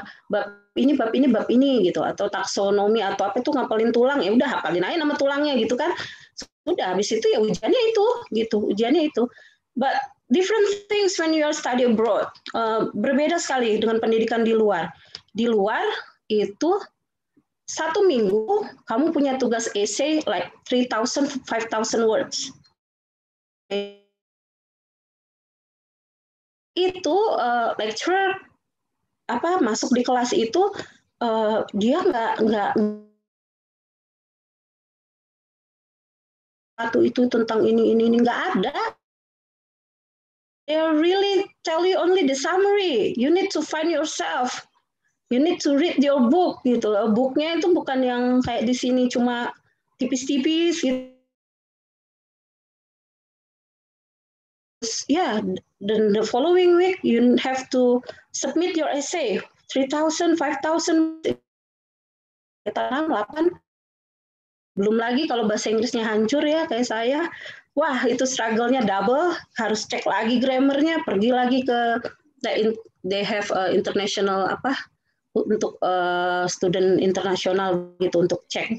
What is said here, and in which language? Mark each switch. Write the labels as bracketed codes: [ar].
[id] Bab ini gitu, atau taksonomi atau apa itu ngapalin tulang ya udah hafalin aja nama tulangnya gitu kan. Sudah habis itu ya ujiannya itu. [en] But different things when you are study abroad. [id] Berbeda sekali dengan pendidikan di luar. Di luar itu satu minggu kamu punya tugas essay [en] like 3000 5000 words. [id] Itu lecturer masuk di kelas itu dia nggak satu itu tentang ini nggak ada. [en] they really tell you only the summary. You need to find yourself. You need to read your book gitu. [id] Book-nya itu bukan yang kayak di sini cuma tipis-tipis gitu. [en] Yeah, then the following week you have to submit your essay 3,000, 5,000, 8,000. [id] Belum lagi kalau bahasa Inggrisnya hancur ya kayak saya, wah itu struggle-nya double, harus cek lagi grammar-nya, pergi lagi ke [en] they have international [id] apa untuk student internasional gitu untuk cek